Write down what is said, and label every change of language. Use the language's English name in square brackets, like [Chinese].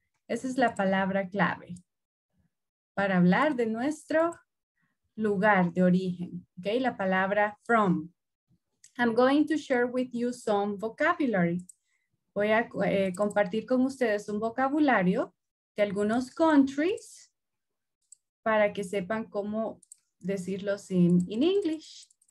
[Spanish] Esa es la palabra clave para hablar de nuestro lugar de origen. Okay, la palabra from. [English] I'm going to share with you some vocabulary. [Spanish] Voy a compartir con ustedes un vocabulario de algunos countries para que sepan cómo decirlo [English] in English.